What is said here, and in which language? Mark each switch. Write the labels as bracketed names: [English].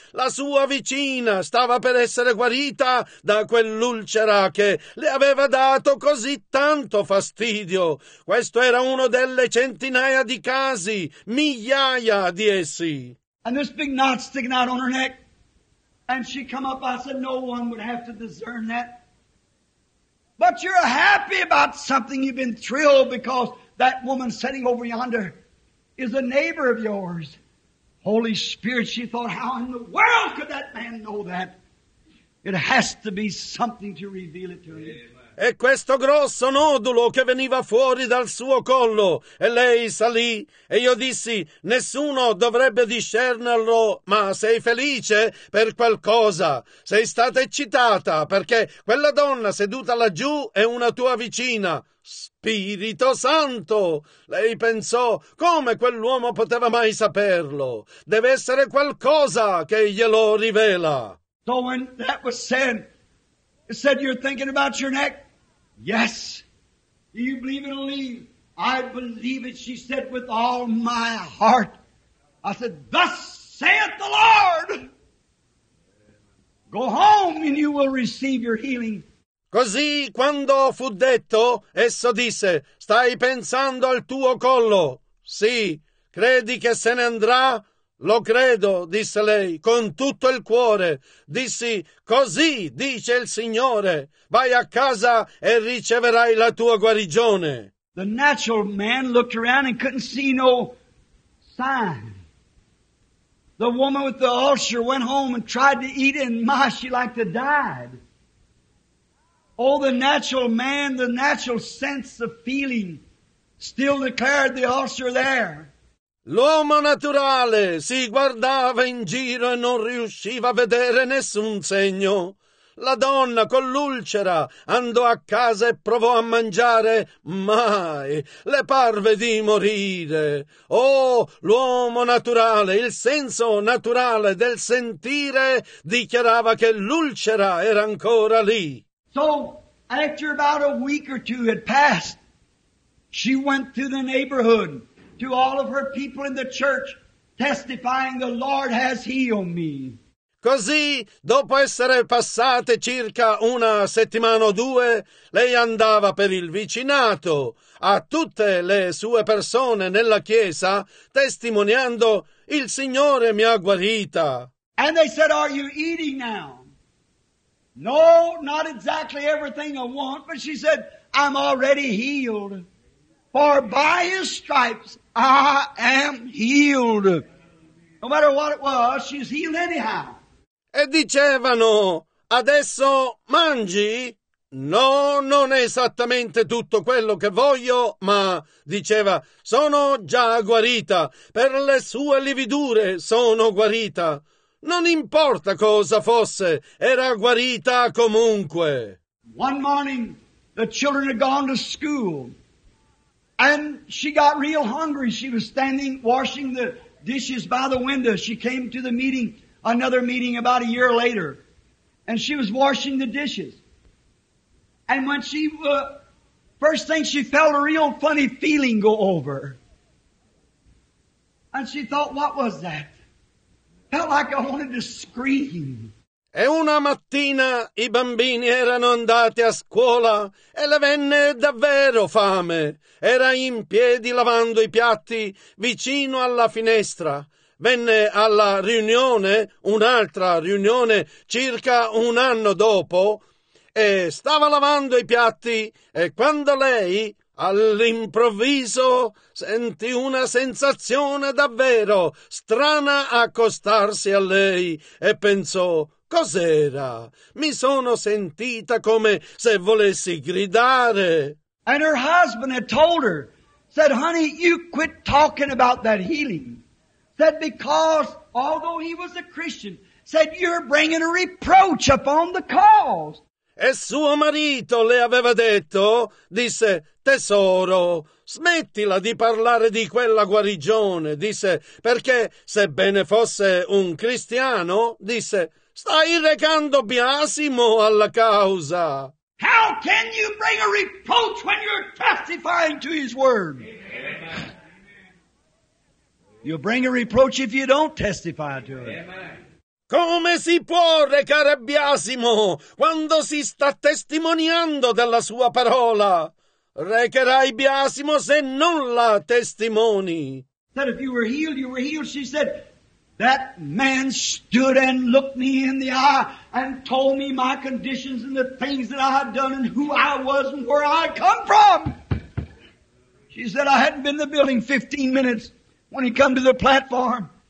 [Italian] La sua vicina stava per essere guarita da quell'ulcera che le aveva dato così tanto fastidio. Questo era uno delle centinaia di casi, migliaia di essi. [English] And this big knot sticking out on her neck. And she come up, I said, no one would have to discern that. But you're happy about something. You've been thrilled because that woman sitting over yonder is a neighbor of yours. Holy Spirit, she thought, how in the world could that man know that? It has to be something to reveal it to him. [Italian] E questo grosso nodulo che veniva fuori dal suo collo, e lei salì, e io dissi, nessuno dovrebbe discernerlo, ma sei felice per qualcosa, sei stata eccitata, perché quella donna seduta laggiù è una tua vicina. Spirito Santo! Lei pensò, come quell'uomo poteva mai saperlo? Deve essere qualcosa che glielo rivela. [English] So when that was said, it said you're thinking about your neck. Yes. Do you believe it'll leave? I believe it, she said, with all my heart. I said, thus saith the Lord. Go home and you will receive your healing. [Italian] Così, quando fu detto, esso disse, stai pensando al tuo collo. Sì, credi che se ne andrà? Lo credo, disse lei, con tutto il cuore. Dissi, così dice il Signore, vai a casa e riceverai la tua guarigione. [English] The natural man looked around and couldn't see no sign. The woman with the ulcer went home and tried to eat and my, she like to died. Oh, the natural man, the natural sense of feeling still declared the ulcer there. [Italian] L'uomo naturale si guardava in giro e non riusciva a vedere nessun segno. La donna con l'ulcera andò a casa e provò a mangiare, mai le parve di morire. Oh, l'uomo naturale, il senso naturale del sentire dichiarava che l'ulcera era ancora lì. [English] So, after about a week or two had passed, she went to the neighborhood to all of her people in the church, testifying the Lord has healed me. [Italian] Così, dopo essere passate circa una settimana o due, lei andava per il vicinato a tutte le sue persone nella chiesa, testimoniando, il Signore mi ha guarita. [English] And they said, are you eating now? No, not exactly everything I want, but she said, I'm already healed. For by his stripes I am healed. No matter what it was, she's healed anyhow. [Italian] E dicevano, adesso mangi? No, non è esattamente tutto quello che voglio, ma, diceva, sono già guarita. Per le sue lividure sono guarita. Non importa cosa fosse, era guarita comunque. [English] One morning, the children had gone to school. And she got real hungry. She was standing washing the dishes by the window. She came to the meeting, another meeting about a year later. And she was washing the dishes. And when she, first thing she felt a real funny feeling go over. And she thought, what was that? Felt like I wanted to scream. [Italian] E una mattina i bambini erano andati a scuola e le venne davvero fame. Era in piedi lavando i piatti vicino alla finestra. Venne alla riunione, un'altra riunione, circa un anno dopo, e stava lavando i piatti e quando lei all'improvviso sentì una sensazione davvero strana accostarsi a lei e pensò, cos'era? Mi sono sentita come se volessi gridare. [English] And her husband had told her, said, honey, you quit talking about that healing. Said, because, although he was a Christian, said, you're bringing a reproach upon the cause. [Italian] E suo marito le aveva detto, disse, tesoro, smettila di parlare di quella guarigione. Disse, perché sebbene fosse un cristiano, disse, stai recando biasimo alla causa. [English] How can you bring a reproach when you're testifying to his word? You'll bring a reproach if you don't testify to it. [Italian] Come si può recare biasimo quando si sta testimoniando della sua parola? Recherai biasimo se non la testimoni. [English] That if you were healed, you were healed, she said. That man stood and looked me in the eye and told me my conditions and the things that I had done and who I was and where I had come from. She said I hadn't been in the building 15 minutes when he come to the platform.